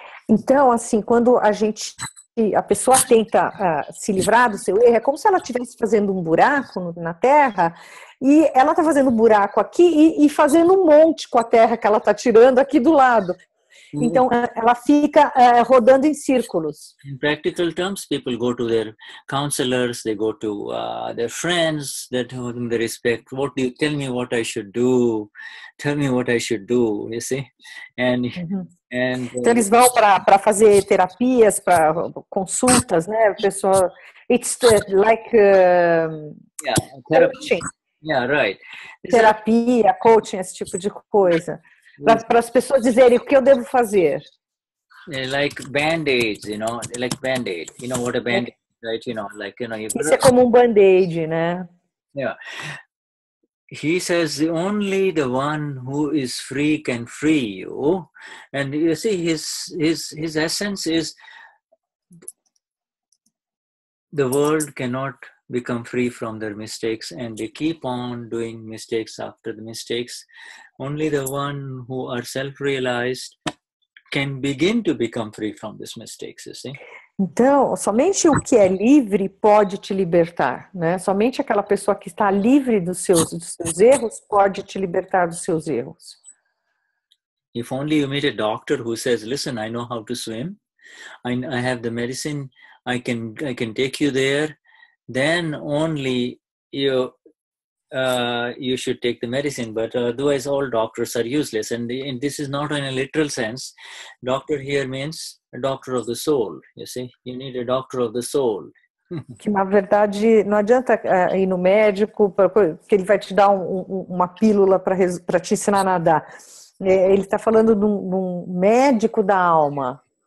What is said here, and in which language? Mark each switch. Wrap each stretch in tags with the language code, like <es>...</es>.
<pt>Então, assim, quando a pessoa tenta se livrar do seu erro, é como se ela estivesse fazendo um buraco na terra, e ela está fazendo um buraco aqui e fazendo um monte com a terra que ela está tirando aqui do lado. Então, ela fica rodando em círculos.</pt> <en>In practical terms, people go to their counselors, they go to their friends, that whom they respect. What do you tell me what I should do? Tell me what I should do, you see? And,</en> <pt>então, eles vão para fazer terapias, para consultas, né? Pessoal,</pt> <en>it's like coaching. Yeah, right.</en> <pt>Terapia, coaching, esse tipo de coisa. Para as pessoas dizerem o que eu devo fazer.</pt> <en>Like band-aids, you know? Like band-aid. You know what a band-aid, right? You know, like, you know...</en> <pt>Isso é como um band-aid, né?</pt> <en>Yeah. He says, only the one who is free can free you. And you see, his essence is... The world cannot become free from their mistakes, and they keep on doing mistakes after the mistakes. Only the one who are self-realized can begin to become free from these mistakes, you see?</en> <pt>Então, somente o que é livre pode te libertar, né? Somente aquela pessoa que está livre dos seus erros pode te libertar dos seus erros.</pt> <en>If only you meet a doctor who says, listen, I know how to swim. I have the medicine. I can take you there. Then only you should take the medicine, but otherwise all doctors are useless. And this is not in a literal sense. Doctor here means a doctor of the soul. You see, you need a doctor of the soul.</en> <pt>Que na verdade não adianta ir no médico porque ele vai te dar uma pílula para te ensinar a nadar. Ele está falando de um médico da alma.</pt>